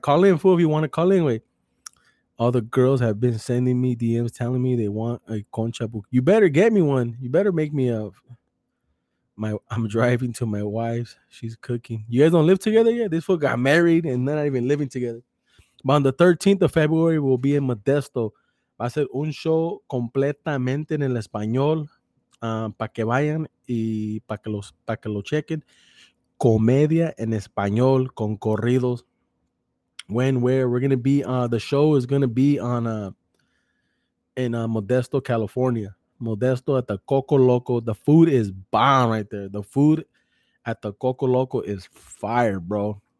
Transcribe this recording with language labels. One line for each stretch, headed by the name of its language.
English: Call in, fool, if you want to call in. Wait. All the girls have been sending me DMs telling me they want a concha book. You better get me one. You better make me a... I'm driving to my wife's. She's cooking. You guys don't live together yet? This fool got married and not even living together. But on the 13th of February, we'll be in Modesto.
Spanish: Va a ser un show completamente en el español. Para que vayan y para que lo chequen. Comedia en español con corridos.
English: When, where, we're going to be, the show is going to be on in Modesto, California. Modesto at the Coco Loco. The food is bomb right there. The food at the Coco Loco is fire, bro.